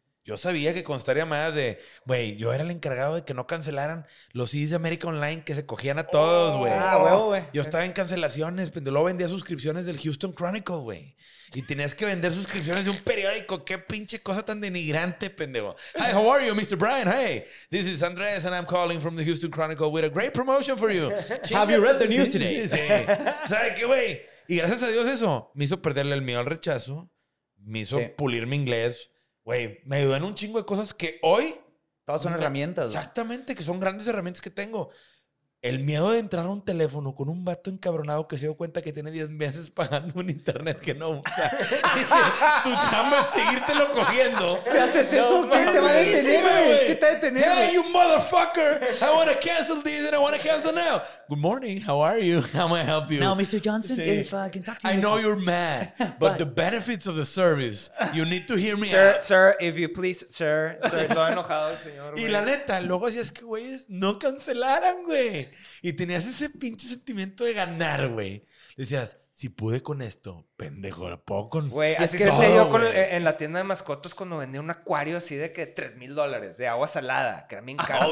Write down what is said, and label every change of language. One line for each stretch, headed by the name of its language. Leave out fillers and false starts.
Spanish: Yo sabía que constaría más de... Güey, yo era el encargado de que no cancelaran los CDs de América Online que se cogían a todos, güey. Ah, güey, güey. Yo estaba en cancelaciones. Luego vendía suscripciones del Houston Chronicle, güey. Y tenías que vender suscripciones de un periódico. ¡Qué pinche cosa tan denigrante, pendejo!
English: Hi, how are you, Mr. Brian? Hey, this is Andres and I'm calling from the Houston Chronicle with a great promotion for you. Have you read the news today?
Spanish: Sí. ¿Sabes qué, güey? Y gracias a Dios eso me hizo perderle el miedo al rechazo. Me hizo pulir mi inglés. Güey, me ayudó en un chingo de cosas que hoy... Todas son herramientas. Exactamente, que son grandes herramientas que tengo. El miedo de entrar a un teléfono con un vato encabronado que se dio cuenta que tiene 10 meses pagando un internet que no usa. Tu chamba es seguírtelo cogiendo. Si haces eso, ¿qué te va a detener, güey? ¿Qué te va a detener?
English: Hey, you motherfucker. I want to cancel this and I want to cancel now. Good morning. How are you? How may I help you? Now, Mr. Johnson, sí. If I can talk to you. I know you're mad, but the benefits of the service, you need to hear me sir, out. Sir, if you please, sir. Sir,
Spanish: todo enojado, señor. Y la neta, luego así es que, güey, no cancelaran, güey. Y tenías ese pinche sentimiento de ganar, güey. Decías, si pude con esto, pendejo, ¿la puedo con güey, es que todo, se dio con el, en la tienda de mascotas cuando vendía un acuario así de que $3,000 de agua salada, que era bien caro.